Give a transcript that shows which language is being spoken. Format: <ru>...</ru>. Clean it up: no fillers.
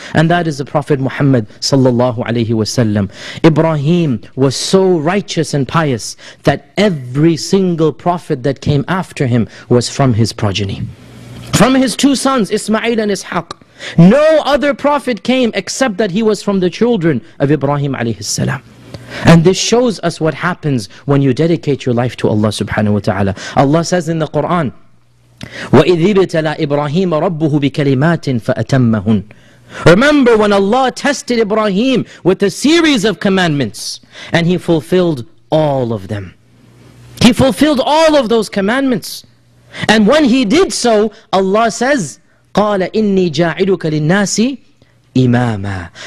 <en>And that is the Prophet Muhammad sallallahu alayhi wasallam. Ibrahim was so righteous and pious that every single prophet that came after him was from his progeny. From his 2 sons, Ismail and Ishaq. No other prophet came except that he was from the children of Ibrahim alayhi salam. And this shows us what happens when you dedicate your life to Allah subhanahu wa ta'ala. Allah says in the Quran,</en> <ar>وَإِذْ ابْتَلَى إِبْرَاهِيمَ رَبُّهُ بِكَلِمَاتٍ فَأَتَمَّهُنْ.</ar> <en>Remember when Allah tested Ibrahim with a series of commandments and he fulfilled all of them. He fulfilled all of those commandments. And when he did so, Allah says,</en> <ar>قَالَ إِنِّي جَاعِلُكَ لِلنَّاسِ إِمَامًا.</ar>